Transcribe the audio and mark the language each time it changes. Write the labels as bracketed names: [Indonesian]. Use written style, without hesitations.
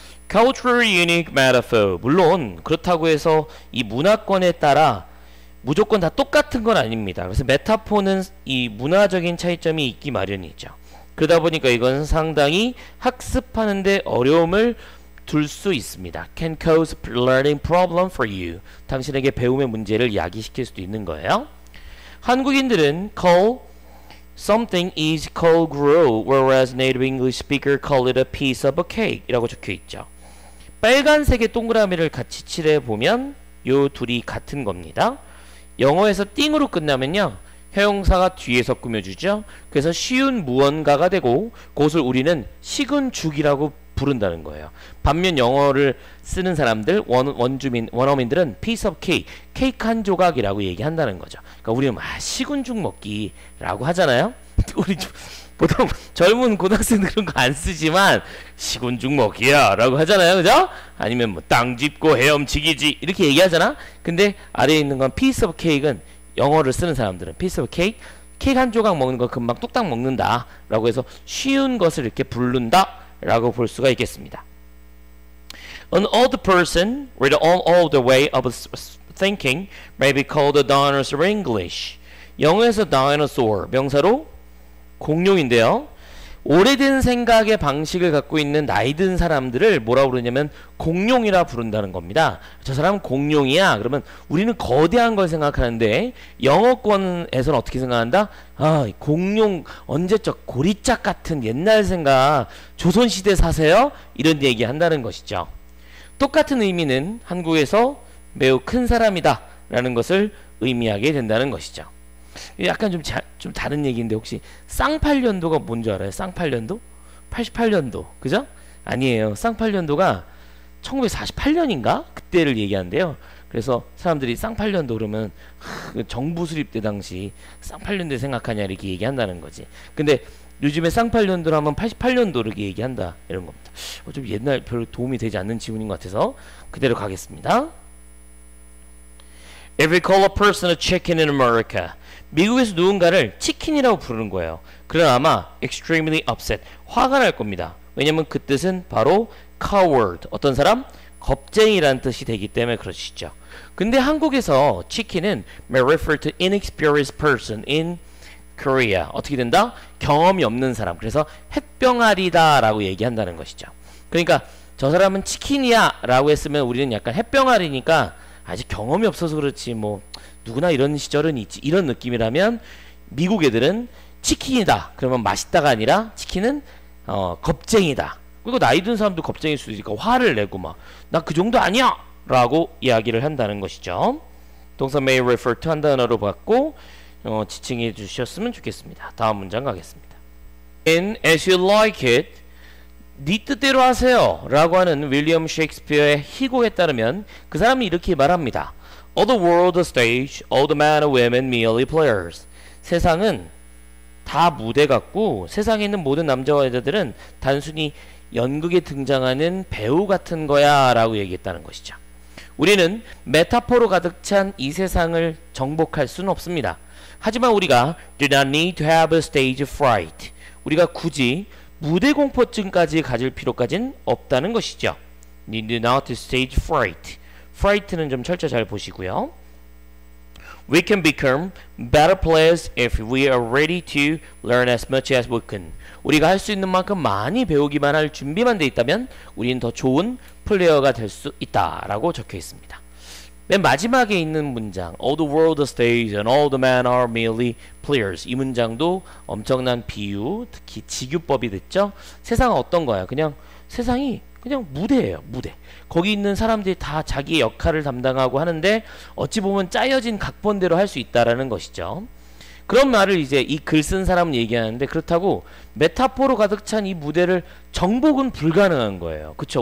[English] Culturally unique metaphor. [Korean] 물론 그렇다고 해서 이 문화권에 따라 무조건 다 똑같은 건 아닙니다. 그래서 메타포는 이 문화적인 차이점이 있기 마련이죠. 그러다 보니까 이건 상당히 학습하는 데 어려움을 둘 수 있습니다. [English] Can cause learning problem for you. [Korean] 당신에게 배움의 문제를 야기시킬 수도 있는 거예요. 한국인들은 [English] call Something is called gruel, whereas native English speaker call it a piece of a cake. [Korean] 이라고 적혀 있죠. 빨간색의 동그라미를 같이 칠해 보면 요 둘이 같은 겁니다. 영어에서 띵으로 끝나면요. 형용사가 뒤에서 꾸며주죠. 그래서 쉬운 무언가가 되고 그것을 우리는 식은 죽이라고 부른다는 거예요. 반면 영어를 쓰는 사람들, 원어민들은 piece of cake, 케이크 한 조각이라고 얘기한다는 거죠. 그러니까 우리는 식은 죽 먹기라고 하잖아요. 우리 보통 젊은 고등학생 그런 거 안 쓰지만 식은 죽 먹기야 라고 하잖아요. 그죠? 아니면 뭐 땅 짚고 헤엄치기지 이렇게 얘기하잖아. 근데 아래에 있는 건 piece of cake은 영어를 쓰는 사람들은 piece of cake, 케이크 한 조각 먹는 거 금방 뚝딱 먹는다 라고 해서 쉬운 것을 이렇게 부른다 라고 볼 수가 있겠습니다. [English] An old person with an old way of thinking may be called a dinosaur in English. [Korean] 영어에서 dinosaur, 명사로 공룡인데요. 오래된 생각의 방식을 갖고 있는 나이 든 사람들을 뭐라고 부르냐면 공룡이라 부른다는 겁니다. 저 사람 공룡이야. 그러면 우리는 거대한 걸 생각하는데 영어권에서는 어떻게 생각한다? 아, 공룡 언제적 고리짝 같은 옛날 생각 조선시대 사세요? 이런 얘기 한다는 것이죠. 똑같은 의미는 한국에서 매우 큰 사람이다 라는 것을 의미하게 된다는 것이죠. 약간 좀 다른 얘기인데 혹시 쌍팔년도가 뭔 줄 알아요? 쌍팔년도? 88년도 그죠? 아니에요. 쌍팔년도가 1948년인가? 그때를 얘기한대요. 그래서 사람들이 쌍팔년도 그러면 정부 수립 때 당시 쌍팔년도 생각하냐 이렇게 얘기한다는 거지. 근데 요즘에 쌍팔년도를 하면 88년도 이렇게 얘기한다 이런 겁니다. 좀 옛날 별로 도움이 되지 않는 질문인 것 같아서 그대로 가겠습니다. [English] If you call a person a chicken in America, [Korean] 미국에서 누군가를 치킨이라고 부르는 거예요. 그러나 아마 [English] extremely upset, [Korean] 화가 날 겁니다. 왜냐면 그 뜻은 바로 coward, 어떤 사람? 겁쟁이라는 뜻이 되기 때문에 그러시죠. 근데 한국에서 치킨은 [English] may refer to inexperienced person in Korea. [Korean] 어떻게 된다? 경험이 없는 사람. 그래서 햇병아리다 라고 얘기한다는 것이죠. 그러니까 저 사람은 치킨이야 라고 했으면 우리는 약간 햇병아리니까 아직 경험이 없어서 그렇지 뭐 누구나 이런 시절은 있지 이런 느낌이라면 미국 애들은 치킨이다 그러면 맛있다가 아니라 치킨은 겁쟁이다. 그리고 나이 든 사람도 겁쟁일 수 있으니까 화를 내고 막 나 그 정도 아니야 라고 이야기를 한다는 것이죠. 동사 [English] may refer to [Korean] 한 단어로 받고 지칭해 주셨으면 좋겠습니다. 다음 문장 가겠습니다. [English] And as you like it, [Korean] 네 뜻대로 하세요 라고 하는 윌리엄 셰익스피어의 희곡에 따르면 그 사람이 이렇게 말합니다. [English] All the world a stage, all the men and women merely players. [Korean] 세상은 다 무대 같고 세상에 있는 모든 남자와 여자들은 단순히 연극에 등장하는 배우 같은 거야 라고 얘기했다는 것이죠. 우리는 메타포로 가득 찬 이 세상을 정복할 수는 없습니다. 하지만 우리가 [English] do not need to have a stage fright. [Korean] 우리가 굳이 무대 공포증까지 가질 필요까지는 없다는 것이죠. [English] Need to not stage fright. [Korean] Fright는 좀 철저히 잘 보시고요. [English] We can become better players if we are ready to learn as much as we can. [Korean] 우리가 할 수 있는 만큼 많이 배우기만 할 준비만 돼 있다면 우리는 더 좋은 플레이어가 될 수 있다라고 적혀 있습니다. 맨 마지막에 있는 문장 [English] All the world is stage and all the men are merely players. [Korean] 이 문장도 엄청난 비유, 특히 직유법이 됐죠. 세상은 어떤 거야? 그냥 세상이 그냥 무대예요. 무대. 거기 있는 사람들이 다 자기의 역할을 담당하고 하는데 어찌 보면 짜여진 각본대로 할 수 있다라는 것이죠. 그런 말을 이제 이 글 쓴 사람은 얘기하는데 그렇다고 메타포로 가득 찬 이 무대를 정복은 불가능한 거예요. 그렇죠?